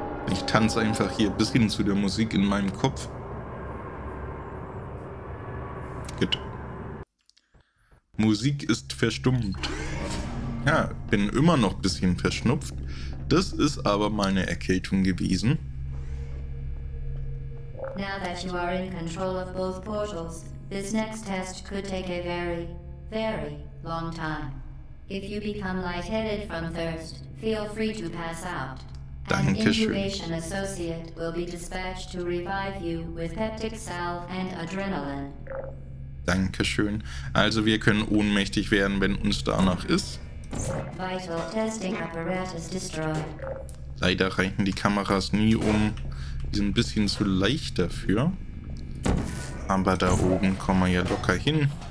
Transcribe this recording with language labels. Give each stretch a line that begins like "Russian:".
German: Ich tanze einfach hier ein bisschen zu der Musik in meinem Kopf. Gut. Musik ist verstummt. Ja, bin immer noch ein bisschen verschnupft. Das ist aber meine Erkältung gewesen.
English: Now that you are in control of both portals, this next test could take a very, very long time. If you become lightheaded from thirst, feel free to pass out.
German: Dankeschön.
English: An incubation associate will be dispatched to revive you with peptic salve and adrenaline.
German: Dankeschön. Also wir können ohnmächtig werden, wenn uns danach ist.
English: Vital testing apparatus destroyed.
German: Leider reichen die Kameras nie um. Die sind ein bisschen zu leicht dafür. Aber da oben kommen wir ja locker hin.